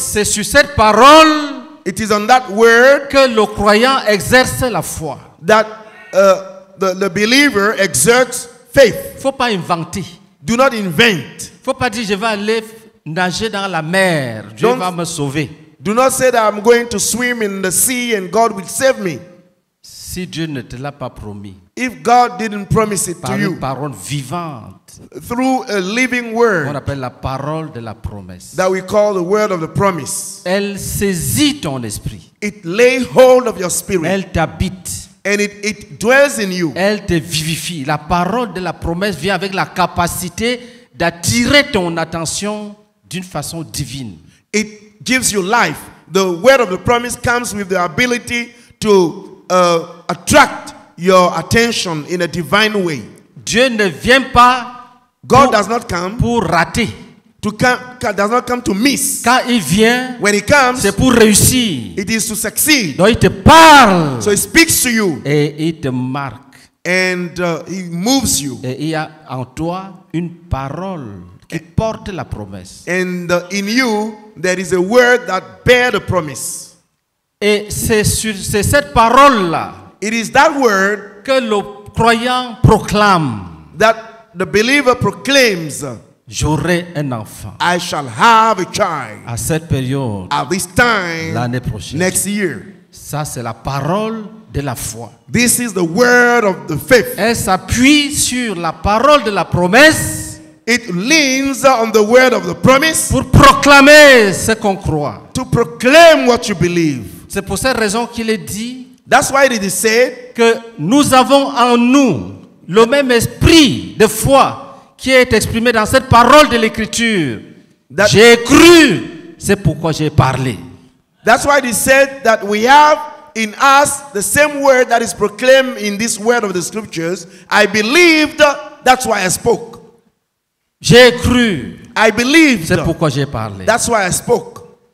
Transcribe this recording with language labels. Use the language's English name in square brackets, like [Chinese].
[French] C'est sur cette parole, [English] it is on that word, [French] que le croyant exerce la foi. [English] That the believer exerts faith. [French] Faut pas inventer. [English] Do not invent. [French] Faut pas dire je vais aller nager dans la mer, Dieu va me sauver. [English] Do not say that I'm going to swim in the sea and God will save me. [French] Si Dieu ne te l'a pas promis. [English] If God didn't promise it [French] par [English] to you. [French] Par une parole vivante. [English] Through a living word. [French] On appelle la parole de la promesse. [English] That we call the word of the promise. [French] Elle saisit ton esprit. [English] It lays hold of your spirit. [French] Elle t'habite. [English] And it dwells in you. [French] Elle te vivifie. La parole de la promesse vient avec la capacité d'attirer ton attention d'une façon divine. [English] It gives you life. The word of the promise comes with the ability to attract your attention in a divine way. [French] Dieu ne vient pas [English] God does not come [French] pour rater. [English] Does not come to miss. [French] Quand il vient, [English] when he comes, [French] c'est pour réussir. [English] It is to succeed. [French] Donc il te parle. [English] So he speaks to you. [French] Et il te marque. [English] And he moves you. [French] Et il y a en toi une parole qui porte la promesse. [English] And in you there is a word that bears the promise. [French] Et c'est cette parole-là. [English] It is that word [French] que le croyant proclame. [English] That the believer proclaims. [French] J'aurai un enfant. [English] I shall have a child. [French] À cette période. [English] At this time. [French] L'année prochaine. [English] Next year. [French] Ça, c'est la parole de la foi. [English] This is the word of the faith. [French] Elle s'appuie sur la parole de la promesse. [English] It leans on the word of the promise. [French] Pour proclamer ce qu'on croit. [English] To proclaim what you believe. [French] C'est pour cette raison qu'il est dit. [English] That's why it is said [French] que nous avons en nous le même esprit de foi qui est exprimé dans cette parole de l'écriture. J'ai cru, c'est pourquoi j'ai parlé. [English] That's why it is said that we have in us the same word that is proclaimed in this word of the scriptures. I believed, that's why I spoke. [French] J'ai cru, [English] I believed, [French] c'est pourquoi j'ai parlé. [English] That's why I spoke.